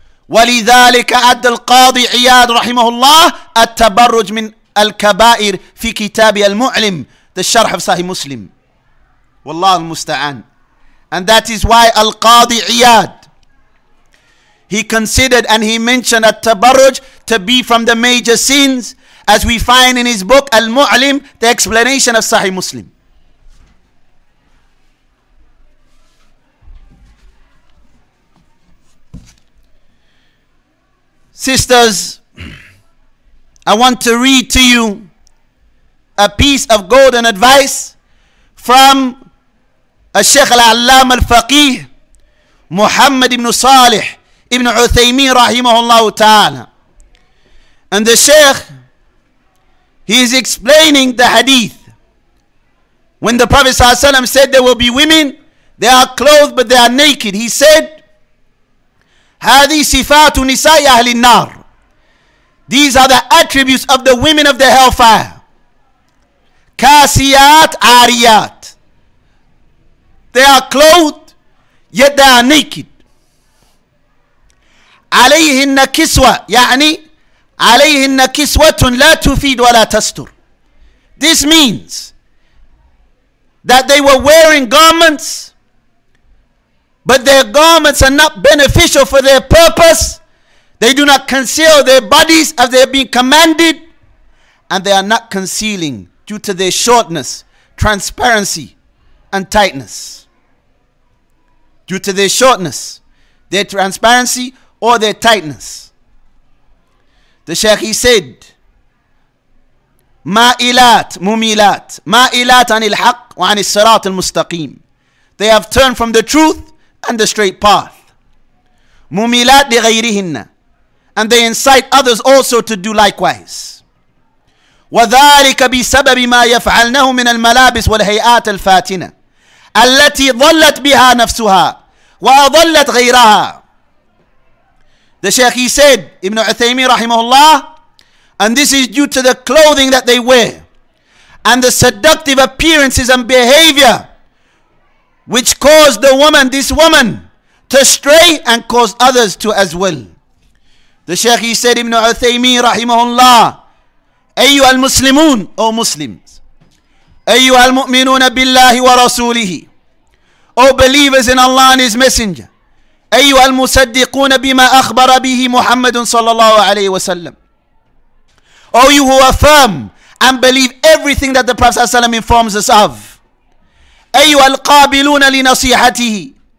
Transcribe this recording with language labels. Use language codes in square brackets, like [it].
[ar] ولذلك عد القاضي عياد رحمه الله التبرج من الكبائر في كتاب المعلم الشرح في صحيح مسلم والله المستعان. [en] And that is why القاضي عياد, he considered and he mentioned التبرج to be from the major sins, as we find in his book المعلم, the explanation of صحيح مسلم. sisters, I want to read to you a piece of golden advice from [ar] الشيخ العلام الفقيه محمد بن صالح ابن عثيمين رحمه الله تعالى. [en] And the Sheikh, he is explaining the hadith when the Prophet صلى الله عليه وسلم said there will be women, they are clothed but they are naked. He said, [ar] هذه صفات نساء أهل النار. [en] These are the attributes of the women of the hellfire. [ar] كاسيات عاريات. [en] They are clothed, yet they are naked. [ar] عليهن كسوة يعني عليهن كسوة لا تفيد ولا تستر. [en] This means that they were wearing garments, but their garments are not beneficial for their purpose. They do not conceal their bodies as they have been commanded, and they are not concealing due to their shortness, transparency, and tightness. Due to their shortness, their transparency, or their tightness. The Sheikh, he said, [ar] مائلات مميلات مائلات عن الحق وعن الصراط المستقيم. [en] They have turned from the truth and the straight path. [ar] مميلات لغيرهن. [en] And they incite others also to do likewise. [ar] وذلك بسبب ما يفعلنه من الملابس والهيئات الفاتنة التي ظلت بها نفسها وأضلت غيرها. [en] The Sheikh, he said, Ibn Uthaymeen rahimahullah, and this is due to the clothing that they wear and the seductive appearances and behavior which caused this woman to stray and caused others to as well. The Sheikh, he said, Ibn Uthaymeen rahimahullah, [ar] أيها المسلمون, [en] O Muslims, [ar] أيها المؤمنون بالله ورسوله, [en] O believers in Allah and His Messenger, [ar] أيها المصدقون بما أخبر به محمد صلى الله عليه وسلم, [en] O you who affirm and believe everything that the Prophet ﷺ informs us of, [ar] أيها القابلون لنصيحته,